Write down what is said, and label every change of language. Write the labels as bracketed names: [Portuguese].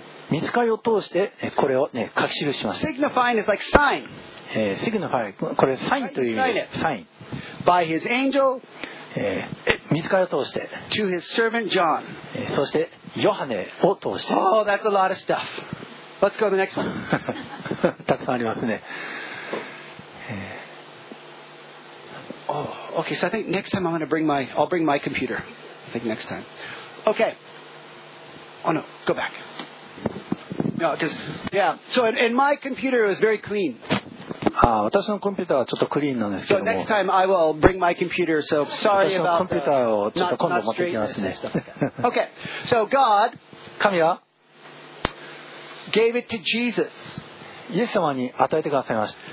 [Japanese] 御使いを通してこれを、ね、書き記しました [English] signifying is like sign [Japanese] Signify これサインという意味でサイン [English] By his angel [Japanese] 御使いを通して [English] To his servant John [Japanese] そしてヨハネを通して [English] Oh that's a lot of stuff Let's go to the next one [Japanese] たくさんありますね [English] Oh okay so I think next time I'm going to bring my I'll bring my computer I think next time Okay Oh no go back No because yeah so in my computer it was very clean [Japanese] ああ私のコンピューターはちょっとクリーンなんですけども [English] so computer,、so、sorry [Japanese] 私のコンピューターをちょっと今度持ってきますね [English] okay. So God [Japanese] 神は [English] gave it to Jesus. [Japanese] イエス様に与えてくださいました